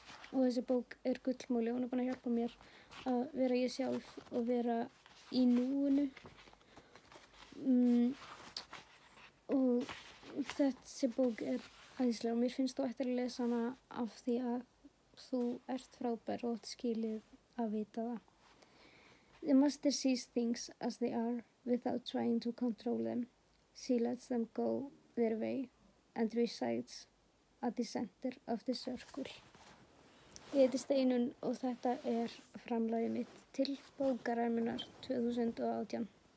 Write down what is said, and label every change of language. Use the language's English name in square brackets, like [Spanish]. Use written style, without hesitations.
[Icelandic] Og þessi bók er gullmóli og hún er búin að hjálpa mér að vera ég sjálf og vera í núinu. Og þessi bók er hæðislega og mér finnst þú eftir að lesa hana af því að þú ert frábær og skilið að vita það. [English] The master sees things as they are without trying to control them. She lets them go their way and resides at the center of the circle. [Icelandic] Ég heiti Steinunn og þetta er framlagið mitt til bókararmunar 2018.